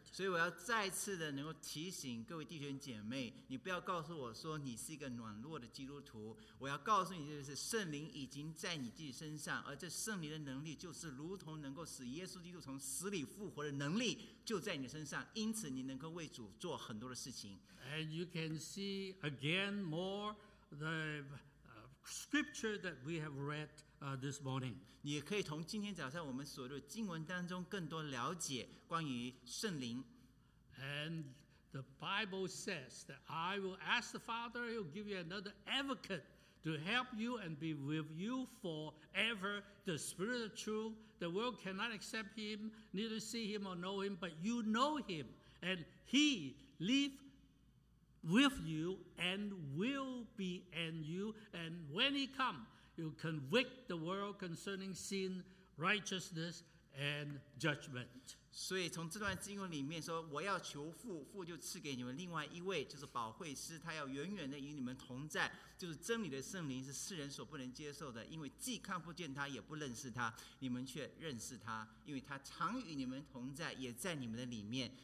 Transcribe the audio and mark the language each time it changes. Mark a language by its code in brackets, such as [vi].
[zh] 所以我要再次的能够提醒各位弟兄姐妹，你不要告诉我说你是一个软弱的基督徒。我要告诉你的是，圣灵已经在你自己身上，而这圣灵的能力就是如同能够使耶稣基督从死里复活的能力，就在你身上。因此，你能够为主做很多的事情。 [en] And you can see again more the scripture that we have read. This morning, [zh] 你也可以从今天早上我们所读的经文当中更多了解关于圣灵。 [en] And the Bible says that I will ask the Father, He'll give you another advocate to help you and be with you forever. The Spirit of truth, the world cannot accept Him, neither see Him or know Him, but you know Him, and He lives. With you and will be in you, and when he comes, he'll convict the world concerning sin, righteousness, and judgment. [zh] 所以从这段经文里面说，我要求父，父就赐给你们另外一位，就是保惠师，他要远远的与你们同在，就是真理的圣灵，是世人所不能接受的，因为既看不见他，也不认识他，你们却认识他，因为他常与你们同在，也在你们的里面。